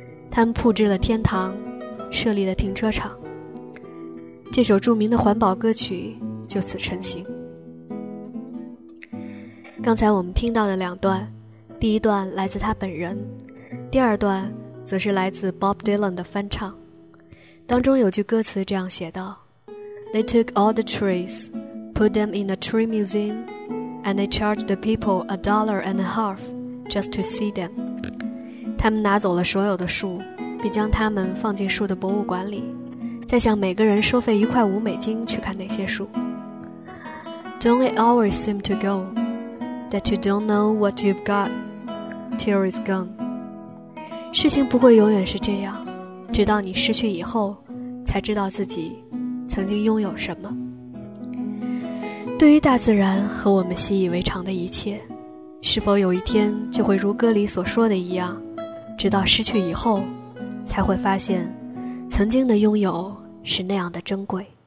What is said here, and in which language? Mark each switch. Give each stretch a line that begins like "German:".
Chinese: 他们铺置了天堂，设立了停车场。这首著名的环保歌曲就此成型。刚才我们听到的两段，第一段来自他本人，第二段则是来自 Bob Dylan 的翻唱。当中有句歌词这样写道
English: They took all the trees, put them in a tree museum, and they charged the people a dollar and a half just to see them.
Chinese: 他们拿走了所有的树，并将它们放进树的博物馆里，再向每个人收费$1.5去看那些树。
English: Don't it always seem to go that you don't know what you've got till it's gone?
Chinese: 事情不会永远是这样，直到你失去以后才知道自己曾经拥有什么。对于大自然和我们习以为常的一切，是否有一天就会如歌里所说的一样，直到失去以后，才会发现，曾经的拥有是那样的珍贵。